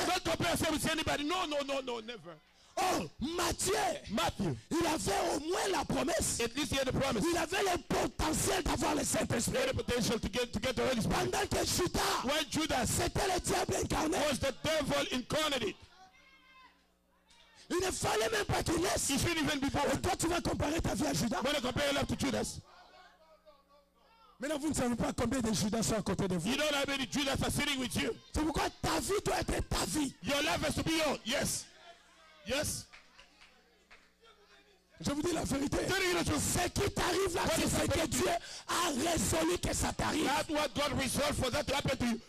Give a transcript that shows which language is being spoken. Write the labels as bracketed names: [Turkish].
[English] Don't compare yourself with anybody. No, no, no, no, never. [French] Au Or, Matthieu, il avait au moins la promesse. [English] At least he had the promise. [French] Il avait le potentiel d'avoir le Saint-Esprit. [English] He had the potential to get the Holy Spirit. [French] Pendant que Judas, [English] when Judas, [French] c'était le diable incarné, [English] was the devil incarnate. [French] Il ne fallait même pas qu'il laisse. [English] He shouldn't even be born. [French] Et toi, tu vas comparer ta vie à Judas. [English] When you compare your life to Judas. [French] Maintenant, vous ne savez pas combien de Judas sont à côté de vous. [English] You don't know how many Judas are sitting with you. [French] C'est pourquoi ta vie doit être ta vie. [English] Your life has to be your. Yes. Yes. [French] Je vous dis la vérité. Ce qui t'arrive là, [English] what [French] c'est ce que Dieu a résolu que ça t'arrive. [English] That's what God resolved for that to happen to you.